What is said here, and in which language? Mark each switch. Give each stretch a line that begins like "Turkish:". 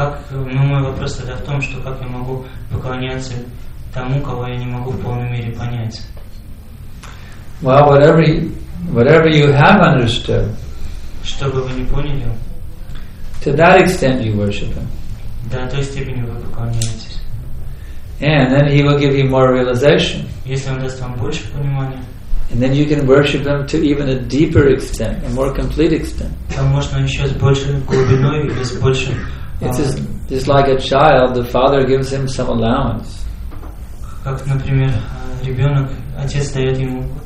Russian: Мой вопрос тогда в том, что как я могу поклоняться тому, кого я не могу в полной мере понять.
English: Well, whatever you have understood,
Russian: что бы вы ни поняли,
English: to that extent you worship Him.
Russian: До той степени вы поклоняетесь.
English: And then He will give you more realization.
Russian: Если Он даст вам больше понимания,
English: and then you can worship Him to even a deeper extent, a more complete extent.
Russian: Там можно еще с большей глубиной или с большим.
English: It's just like a child; the father gives him some allowance.
Russian: Как, например, ребенок, отец дает ему.